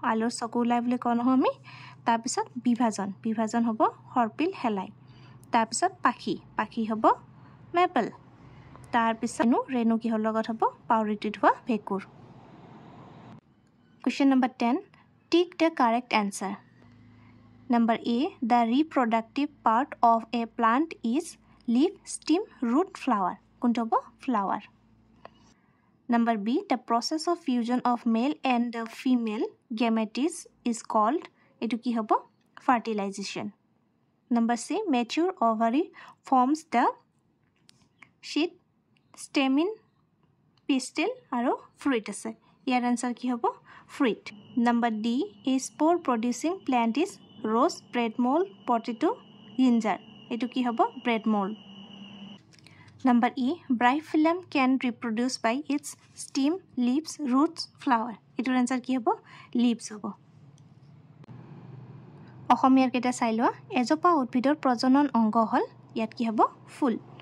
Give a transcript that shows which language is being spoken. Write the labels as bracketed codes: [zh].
[as] আলুৰ চকু ওলায় বুলি কওঁ নহয় আমি। তাৰপিছত বিভাজন। বিভাজন হ'ব সৰ্পিল শেলাই। তাৰপিছত পাখি। পাখি হ'ব মেপল। তাৰপিছত ৰেণু। ৰেণু কিহৰ লগত হ'ব? পাউৰিটিত হোৱা ভেঁকুৰ। [en] Question number 10, tick the correct answer. Number A, the reproductive part of a plant is leaf, stem, root, flower. Kuntobo, flower. Number B, the process of fusion of male and the female gametes is called, [as] etu ki hobo, [en] fertilization. Number C, mature ovary forms the sheath, stamen, pistil, aro fruit ase. Here answer [as] ki hobo, [en] fruit. Number D, a spore producing plant is rose, bread mould, potato, ginger. [as] এইটো কি হ'ব? Bread mall. [en] Number E, Bryophyllum can reproduce by its stem, leaves, roots, flower. [as] এইটোৰ answer কি হ'ব? Leaves হ'ব। অসমীয়াৰ কেইটা চাই লোৱা, এজোপা উদ্ভিদৰ প্ৰজনন অংগ হ'ল, ইয়াত কি হ'ব? ফুল।